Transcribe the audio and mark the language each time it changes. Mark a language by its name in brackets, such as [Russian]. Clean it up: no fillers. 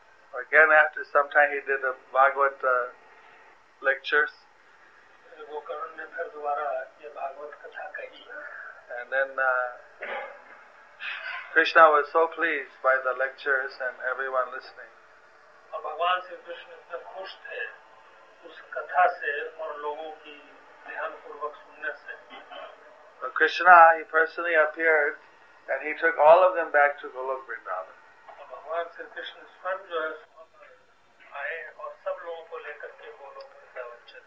[English] Again, after some time, he did the Bhagavat lectures. [Hindi] Gokarna ne phir dobara ye Bhagavat katha kahi. [English] And then. Krishna was so pleased by the lectures and everyone listening. [Hindi] और भगवान श्री कृष्ण इतने खुश थे उस कथा से और लोगों की ध्यानपूर्वक सुनने से. [English] So Krishna, he personally appeared and he took all of them back to Golok Vrindavan. [Hindi] भगवान श्री कृष्ण स्वयं जो आए और सब लोगों को लेकर के गोलोक वृंदावन चले.